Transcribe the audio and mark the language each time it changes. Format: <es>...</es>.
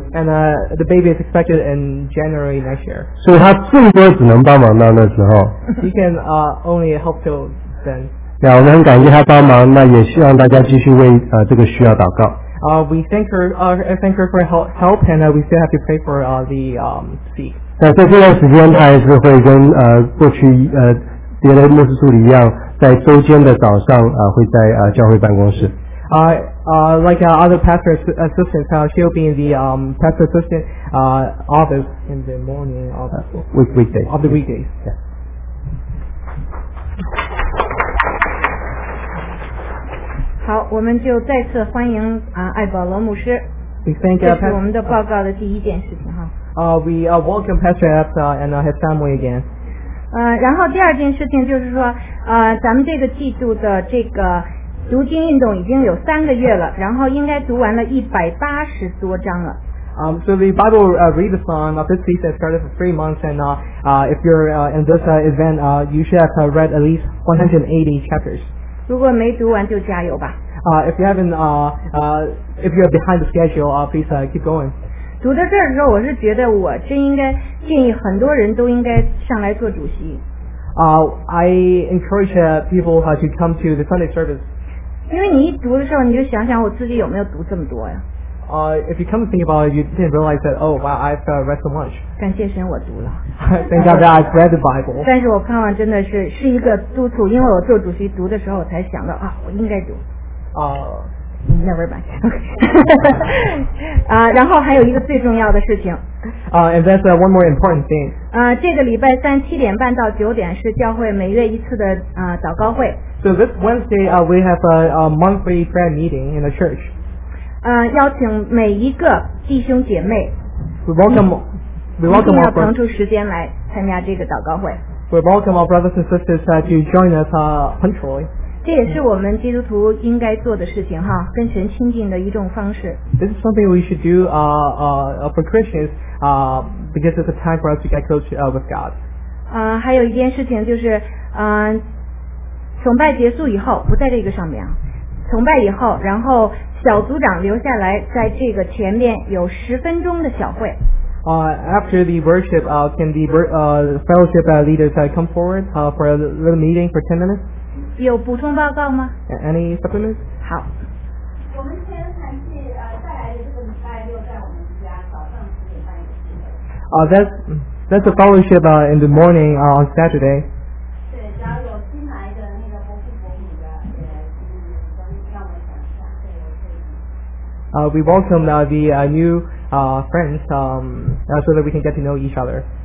<en>The baby is expected in January next year.</en> <zh>所以她最多只能帮忙到那时候。</zh> <en>She can only help till then.</en> <zh>我们很感激她帮忙，那也希望大家继续为这个需要祷告。</zh> <en>We thank her for help, and we still have to pray for the sick.</en> <zh>那在这段时间，她还是会跟过去。别的牧师助理一样，在周间的早上会在教会办公室。</zh> <en>Like other pastor assistants, she'll be in the pastor assistant office in the morning of weekdays. Of the weekdays. Yeah.</en> <zh>好，我们就再次欢迎艾宝罗牧师。</zh> <en>We thank you.</en> <zh>这是我们的报告的第一件事情哈。</zh> <en>We welcome Pastor Epps and his family again.</en> <zh>然后第二件事情就是说，咱们这个季度的这个读经运动已经有3个月了，然后应该读完了180多章了。</zh> <en>So the Bible readathon of this season started for 3 months, and if you're in this event, you should have read at least 180 chapters.</en> <zh>如果没读完就加油吧。</zh> <en>If you haven't, if you're behind the schedule, please keep going.</en> <zh>读到这儿的时候，我是觉得我真应该建议很多人都应该上来做主席。</zh> <en>I encourage people to come to the Sunday service.</en> <zh>因为你一读的时候，你就想想我自己有没有读这么多呀？</zh> <en>if you come to think about it, you didn't realize that, oh, wow, I've read so much.</en> <zh>感谢神我读了。</zh> <en>Thank God that I've read the Bible.</en> <zh>但是我看完真的是一个督促，因为我做主席读的时候才想到，我应该读。</zh> <en>Never mind.</en> <zh>然后还有一个最重要的事情。</zh> <en>And that's one more important thing.</en> <zh>这个礼拜三七点半到九点是教会每月一次的祷告会。</zh> <en>So this Wednesday, we have a monthly prayer meeting in the church.</en> <zh>邀请每一个弟兄姐妹。</zh> <en>We welcome our</en> <zh>腾出时间来参加这个祷告会。</zh> <en>We welcome our brothers and sisters to join us punctually.</en> <zh>这也是我们基督徒应该做的事情哈，跟神亲近的一种方式。</zh> <en>This is something we should do for Christians because it's a time for us to get close with God.</en> <zh>还有一件事情就是，崇拜结束以后不在这个上面，崇拜以后，然后小组长留下来，在这个前面有十分钟的小会。</zh> <en>After the worship, can the fellowship leaders come forward for a little meeting for 10 minutes?</en> <zh>有补充报告吗</zh> <en>？Any supplements？</en> <zh>好。我们先谈起再来的这个礼拜六在我们家早上十点半有聚会。</zh> <en>That's a fellowship in the morning on Saturday。</en> <zh>对，只要有新来的那个博士博女的，让我们讲一下，对，可以。</zh> <en>We welcome the new friends so that we can get to know each other。</en>